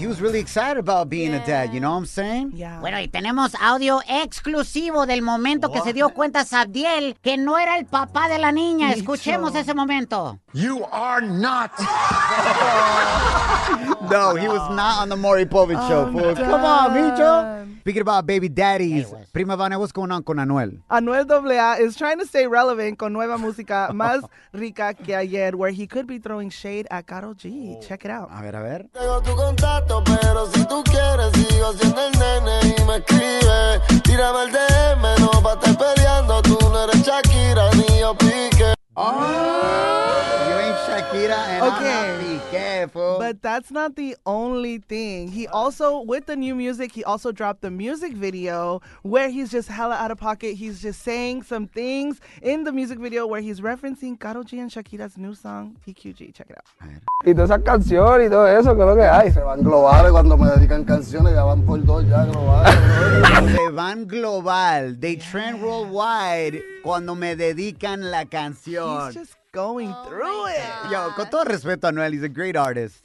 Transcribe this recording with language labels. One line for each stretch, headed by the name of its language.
English: He was really excited about being a dad, you know what I'm saying? Yeah.
Spanish: Bueno, y tenemos audio exclusivo del momento que se dio cuenta Zabdiel que no era el papá de la niña. Escuchemos ese momento.
English: You are not. No, he was not on the Maury Povich show. Fool. Come on, Micho. Speaking about baby daddies. Prima Vane, what's going on con Anuel? Anuel AA is trying to stay relevant
Spanish: con nueva música más rica que ayer,
English: where he could be throwing shade at Karol G. Check it out.
Spanish: A ver, a ver. Tengo tu contacto, pero si tú quieres, sigo siendo el nene y me escribe. Tírame el DM, no va a estar peleando. Tú no eres Shakira ni yo Piqué.
English: Oh! Shakira and careful. But that's not the only thing. He also, with the new music, he also dropped the music video where he's just hella out of pocket. He's just saying some things in the music video where he's referencing Karol G and Shakira's new song, TQG. Check it out.
Spanish: Y todas esas canciones y todo eso, creo que hay. Se van globales cuando me dedican canciones, ya van por dos ya globales. Se van global.
English: They trend worldwide
Spanish: cuando me dedican la canción.
English: He's just going through it. God.
Spanish: Yo, con todo respeto a Noel,
English: he's a great artist.